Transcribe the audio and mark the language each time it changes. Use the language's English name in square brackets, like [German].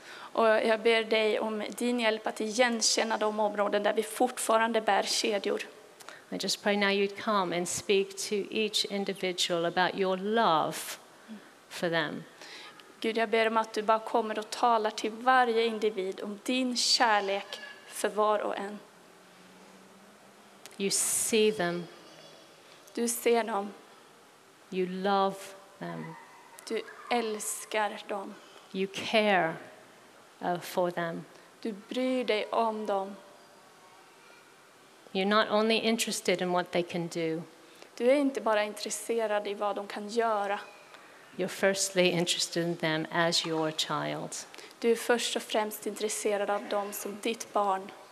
[Swedish] Och jag ber dig om din hjälp att igenkänna de områden där vi fortfarande bär kedjor. [English] I just pray now you'd come and speak to each individual about your love for them. [Swedish] Gud, jag ber om att du bara kommer och talar till varje individ om din kärlek för var och en. [English] You see them. [Swedish] Du ser dem. [English] You love them. [Swedish] Du älskar dem. [English] You care for them. [Swedish] Du bryr dig om dem. [English] You're not only interested in what they can do. [Swedish] Du är inte bara intresserad i vad de kan göra. [English] You're firstly interested in them as your child. [Swedish] Du är först och främst intresserad av dem som ditt barn.